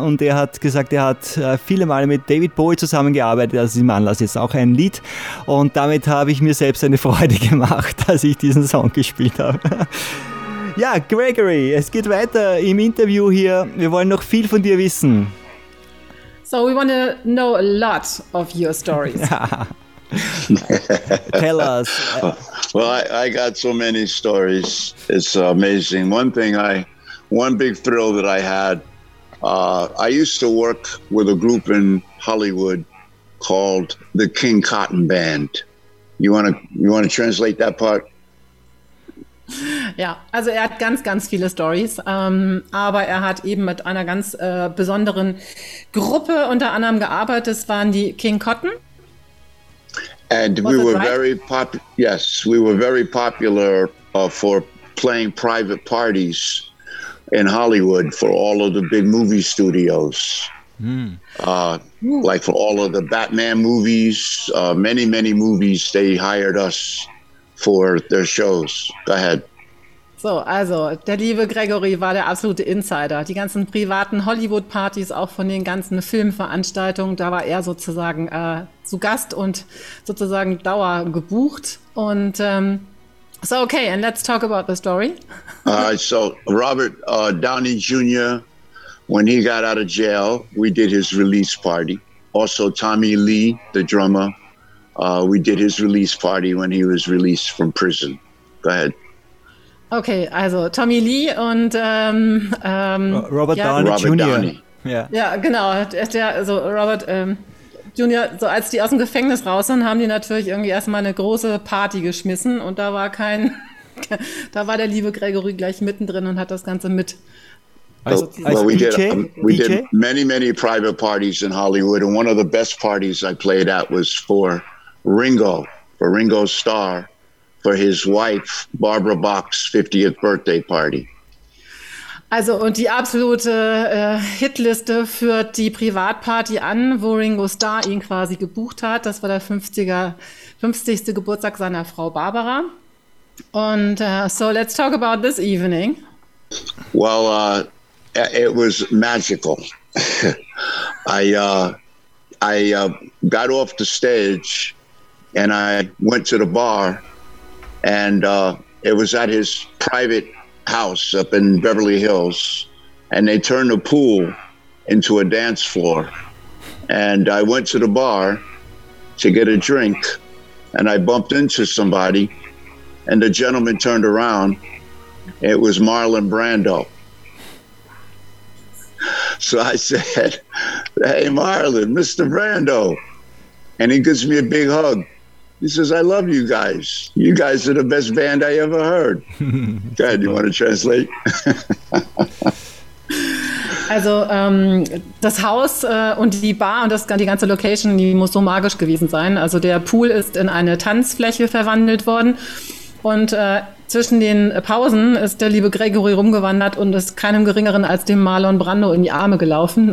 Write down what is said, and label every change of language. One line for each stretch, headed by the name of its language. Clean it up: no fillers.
German: Und er hat gesagt, er hat viele Male mit David Bowie zusammengearbeitet, also im Anlass jetzt auch ein Lied. Und damit habe ich mir selbst eine Freude gemacht, dass ich diesen Song gespielt habe. Ja, Gregory, es geht weiter im Interview hier. Wir wollen noch viel von dir wissen.
English: So, we want to know a lot of your stories. Tell us. Well, I got so many stories. It's amazing. One big thrill that I had, I used to work with a group in Hollywood called the King Cotton Band. You want to translate that part?
German: Ja, also er hat ganz, ganz viele Stories, aber er hat eben mit einer ganz besonderen Gruppe unter anderem gearbeitet. Das waren die King Cotton.
English: And we were very yes, we were very popular for playing private parties in Hollywood for all of the big movie studios. Like for all of the Batman movies, many, many movies, they hired us for their shows. Go ahead.
German: So, also, der liebe Gregory war der absolute Insider. Die ganzen privaten Hollywood-Partys, auch von den ganzen Filmveranstaltungen, da war er sozusagen zu Gast und sozusagen Dauer gebucht. Und so,
English: okay, and let's talk about the story. So, Robert Downey Jr., when he got out of jail, we did his release party. Also, Tommy Lee, the drummer, we did his release party when he was released from prison. Go ahead.
German: Okay, also Tommy Lee und Robert Downey Jr. Yeah. Ja, genau. Robert Jr., so als die aus dem Gefängnis raus sind, haben die natürlich irgendwie erstmal eine große Party geschmissen und da war kein, da war der liebe Gregory gleich mittendrin und hat das Ganze mit.
English: We did many, many private parties in Hollywood and one of the best parties I played at was for Ringo Starr. For his wife Barbara Bach's 50th birthday party.
German: Also und die absolute Hitliste führt die Privatparty an, wo Ringo Starr ihn quasi gebucht hat. Das war der 50. Geburtstag seiner Frau Barbara. Und so
English: let's talk about this evening. Well, it was magical. I got off the stage and I went to the bar. And it was at his private house up in Beverly Hills. And they turned the pool into a dance floor. And I went to the bar to get a drink and I bumped into somebody and the gentleman turned around. It was Marlon Brando. So I said, hey Marlon, Mr. Brando. And he gives me a big hug. He says, I love you guys. You guys are the best band I ever heard. Dad, you want to translate?
German: Also, das Haus und die Bar und das, die ganze Location, die muss so magisch gewesen sein. Also, der Pool ist in eine Tanzfläche verwandelt worden. Und zwischen den Pausen ist der liebe Gregory rumgewandert und ist keinem Geringeren als dem Marlon Brando in die Arme gelaufen.